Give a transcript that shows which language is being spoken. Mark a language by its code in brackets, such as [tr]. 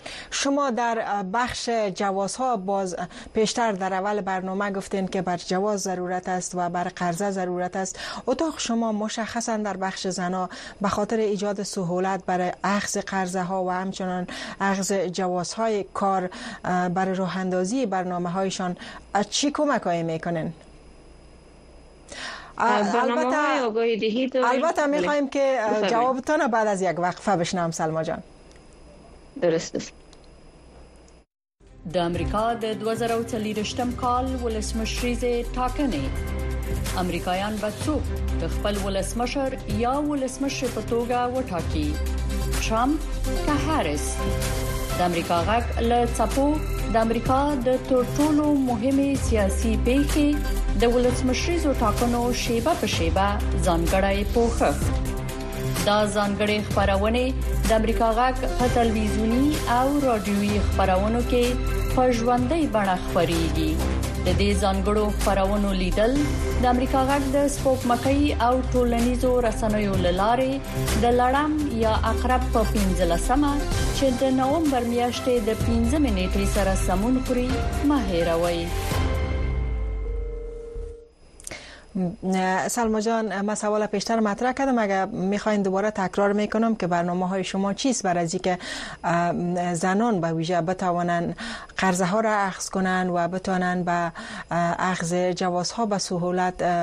[fa] شما در بخش جواز ها باز پیشتر در اول برنامه گفتین که بر جواز ضرورت است و بر قرضه ضرورت است، اتاق شما مشخصا در بخش زنا به خاطر ایجاد سهولت برای اخذ قرضه ها و همچنان اخذ جواز های کار برای راه اندازی برنامه هایشان چی کمک هایی میکنین؟ البته میخواییم که جوابتان بعد از یک وقفه بشنم. سلما جان [ps] در امریکا در 2040 کال ولسمشریز تاکنه. امریکایان با څوک د خپل ولسمشر یا ولسمشر په توګه وټاکي؟ ترامپ که هاریس؟ د امریکا غږ له څپو د امریکا د تر ټولو مهمې سیاسي پیښې د ولسمشریزو ټاکنو شیبه په شیبه ځانګړی پوښښ. دا ځانګړې خپرونې د امریکا غږ په تلویزیونی او رادیوي خپرونو کې په ژوندۍ بڼه خپرېږي. د دې ځانګړو خپرونو لیدل د امریکا غږ د سپوک مکۍ او ټولنیزو رسنیو له لارې د لړم یا عقرب په 15مه چې د نومبر میاشتې د 15مې نېټې سره سمون خوري مه هېروئ. [fa] سلمو جان، ما سوال پیشتر مطرح کردم، اگر میخواین دوباره تکرار میکنم که برنامه های شما چیست برای از اینکه زنان به ویژه بتوانن قرضه ها را اخذ کنن و بتوانن به اخذ جواز ها به سهولت